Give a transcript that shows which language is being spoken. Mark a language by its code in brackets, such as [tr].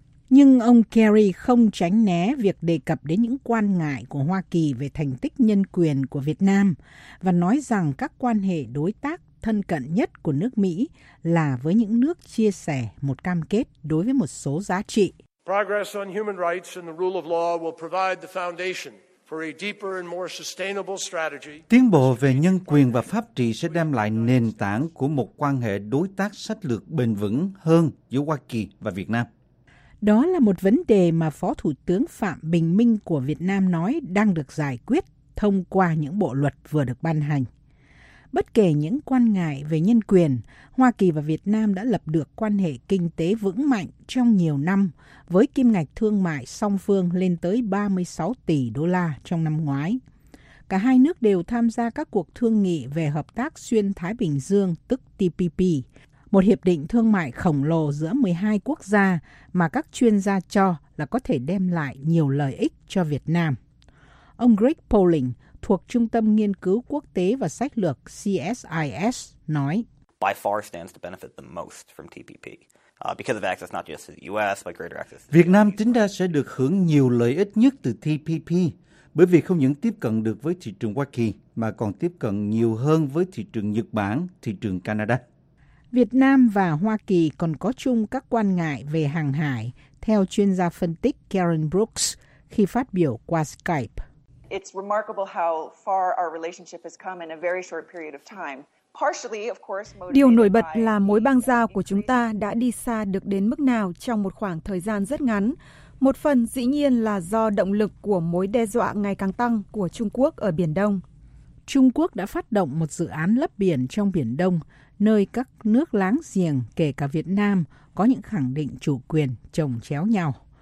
[vi] Nhưng ông Kerry không tránh né việc đề cập đến những quan ngại của Hoa Kỳ về thành tích nhân quyền của Việt Nam và nói rằng các quan hệ đối tác thân cận nhất của nước Mỹ là với những nước chia sẻ một cam kết đối với một số giá trị. [en] Progress on human rights and the rule of law will provide the foundation for a deeper and more sustainable strategy. [vi] Tiến bộ về nhân quyền và pháp trị sẽ đem lại nền tảng của một quan hệ đối tác sách lược bền vững hơn giữa Hoa Kỳ và Việt Nam. Đó là một vấn đề mà Phó Thủ tướng Phạm Bình Minh của Việt Nam nói đang được giải quyết thông qua những bộ luật vừa được ban hành. Bất kể những quan ngại về nhân quyền, Hoa Kỳ và Việt Nam đã lập được quan hệ kinh tế vững mạnh trong nhiều năm với kim ngạch thương mại song phương lên tới 36 tỷ đô la trong năm ngoái. Cả hai nước đều tham gia các cuộc thương nghị về hợp tác xuyên Thái Bình Dương, tức TPP, một hiệp định thương mại khổng lồ giữa 12 quốc gia mà các chuyên gia cho là có thể đem lại nhiều lợi ích cho Việt Nam. Ông Greg Poling thuộc Trung tâm Nghiên cứu Quốc tế và Sách lược CSIS nói: [en] By far stands to benefit the most from TPP. Because of access not just to the US, but greater access to the US. [vi] Việt Nam tính ra sẽ được hưởng nhiều lợi ích nhất từ TPP, bởi vì không những tiếp cận được với thị trường Hoa Kỳ mà còn tiếp cận nhiều hơn với thị trường Nhật Bản, thị trường Canada. Việt Nam và Hoa Kỳ còn có chung các quan ngại về hàng hải, theo chuyên gia phân tích Karen Brooks khi phát biểu qua Skype. [en] It's remarkable how far our relationship has come in a very short period of time. Partially, of course, [vi] điều nổi bật là mối bang giao của chúng ta đã đi xa được đến mức nào trong một khoảng thời gian rất ngắn. Một phần dĩ nhiên là do động lực của mối đe dọa ngày càng tăng của Trung Quốc ở Biển Đông. Trung Quốc đã phát động một dự án lấp biển trong Biển Đông, nơi các nước láng giềng, kể cả Việt Nam, có những khẳng định chủ quyền chồng chéo nhau.